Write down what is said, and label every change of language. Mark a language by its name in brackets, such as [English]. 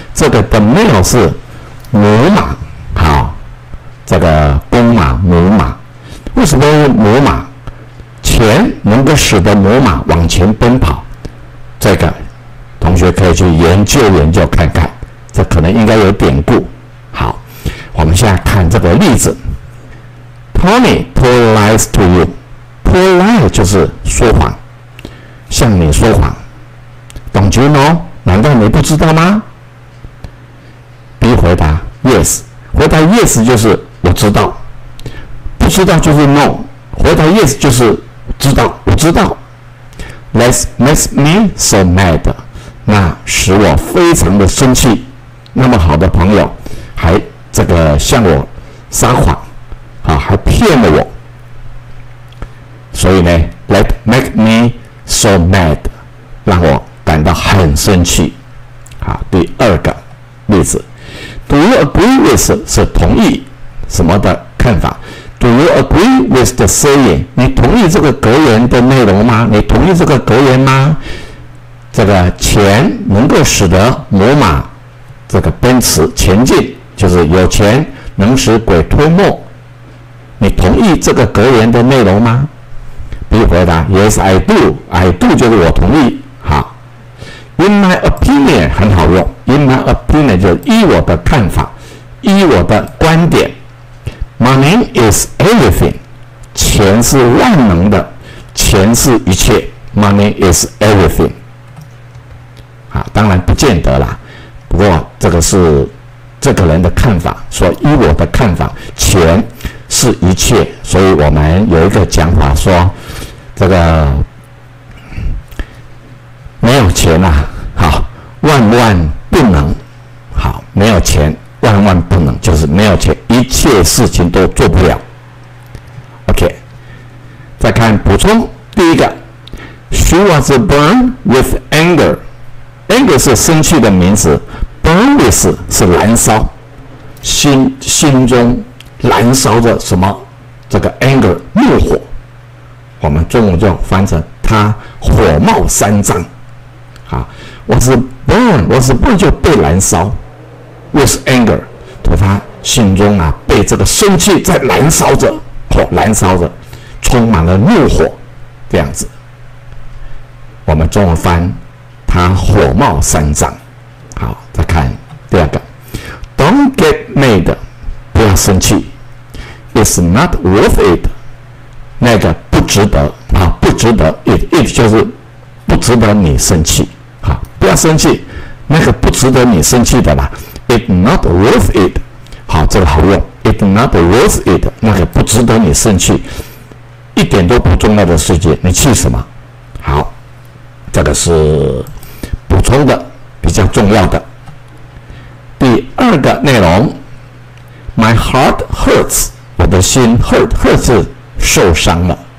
[Chinese] 这个 [English] the mill [Chinese] 是牛马，好，这个公马、母马。为什么用母马？钱能够使得母马往前奔跑，这个同学可以去研究研究看看，这可能应该有典故。好，我们现在看这个例子。 [English] Tony told lies to you， told lies [Chinese] 就是说谎，向你说谎。 [English] Don't you know？ [Chinese] 难道你不知道吗？ B 回答 yes， 回答 yes 就是我知道，不知道就是 no， 回答 yes 就是知道，我知道。 [English] That makes me so mad， [Chinese] 那使我非常的生气，那么好的朋友还这个向我撒谎，还骗了我。所以呢 [English] That makes me so mad， [Chinese] 让我感到很生气。第二个例子， [English] Do you agree with [Chinese] 是同意什么的看法。 [English] Do you agree with the saying？ [Chinese] 你同意这个格言的内容吗？你同意这个格言吗？这个钱能够使得母马这个奔驰前进，就是有钱能使鬼推磨。你同意这个格言的内容吗？ [English] B 回答 ：Yes, I do. I do [Chinese] 就是我同意。好 ， [English] In my opinion [Chinese] 很好用。 [English] In my opinion [Chinese] 就依我的看法，依我的观点。 [English] Money is everything， [Chinese] 钱是万能的，钱是一切。 [English] Money is everything。 [Chinese] 当然不见得啦，不过这个是这个人的看法。说依我的看法，钱是一切。所以我们有一个讲法说，这个没有钱啊，万万不能。没有钱。万万不能，就是没有钱，一切事情都做不了。 OK， 再看补充。 [English] 第一个 ，She was burned with anger。 [Chinese] anger 是生气的名词 ， [English] burn with [Chinese] 是燃烧，心中燃烧着什么？这个 anger 怒火，我们中文就翻成他火冒三丈。 [English] was burned [Chinese] 就被燃烧。 [English] With anger， [Chinese] 他心中啊被这个生气在燃烧着，燃烧着，充满了怒火，这样子。我们中文翻，他火冒三丈。好，再看第二个 ， [English] Don't get mad， [Chinese] 不要生气。 [English] It's not worth it， [Chinese] 那个不值得啊，不值得。 It 就是不值得你生气。好，不要生气，那个不值得你生气的啦。 [English] It's not worth it， [Chinese] 好，这个好用。 [English] It's not worth it， [Chinese] 那个不值得你生气，一点都不重要的事情，你气什么？好，这个是补充的，比较重要的。第二个内容 ， [English] My heart hurts， [Chinese] 我的心 hurts 受伤了。